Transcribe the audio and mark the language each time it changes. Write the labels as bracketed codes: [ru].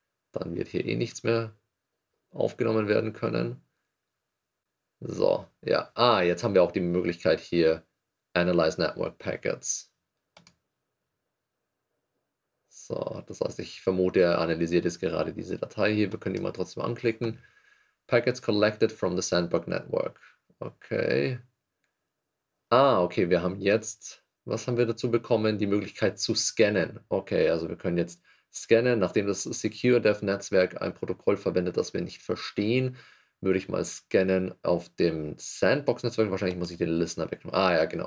[de] Dann wird hier eh nichts mehr aufgenommen werden können. So, ja. Ah, jetzt haben wir auch die Möglichkeit hier, Analyze Network Packets. So, das heißt, ich vermute, er analysiert jetzt gerade diese Datei hier. Wir können die mal trotzdem anklicken. [en] Packets collected from the Sandbox Network. Okay. [de] Ah, okay, wir haben jetzt, was haben wir dazu bekommen? Die Möglichkeit zu scannen. Okay, also wir können jetzt scannen, nachdem das Secure Dev Netzwerk ein Protokoll verwendet, das wir nicht verstehen. Würde ich mal scannen auf dem Sandbox-Netzwerk. Wahrscheinlich muss ich den Listener wegnehmen. Ah ja, genau.